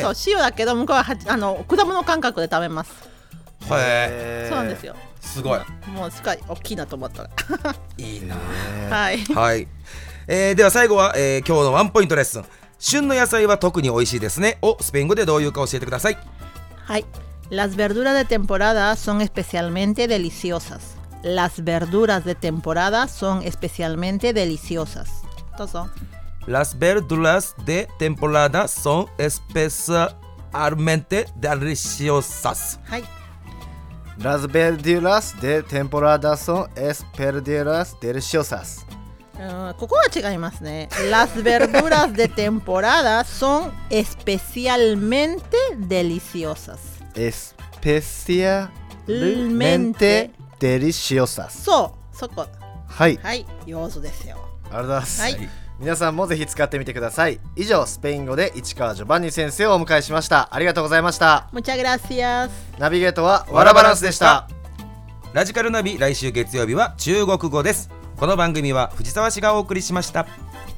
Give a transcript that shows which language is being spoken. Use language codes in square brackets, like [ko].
[ja] そう、塩だけど向こうは、あの、果物感覚で食べます。へえ、そうなんですよ。すごい、もうすごい大きいなと思ったらいいな、はい、はい、では最後は、今日のワンポイントレッスン、旬の野菜は特に美味しいですねをスペイン語でどういうか教えてください。はい。 [es] Las verduras de temporada son especialmente deliciosas. Las verduras de temporada son especialmente deliciosas. [ja] どうぞ。 [es] Las verduras de temporada son especialmente deliciosas. [ja] はい。 [es] Las verduras de temporada son especialmente deliciosas. [ja] ここは違いますね。 [es] Las verduras de temporada son especialmente deliciosas. Especialmente deliciosas. [ja] そう、そこ。はい。はい、上手ですよ。ありがとうございます。はい。皆さんもぜひ使ってみてください。以上、スペイン語で市川ジョバンニ先生をお迎えしました。ありがとうございました。 [es] もちゃぐらすやす。 [ja] ナビゲートはワラバランスでした。ラジカルナビ、来週月曜日は中国語です。この番組は藤沢氏がお送りしました。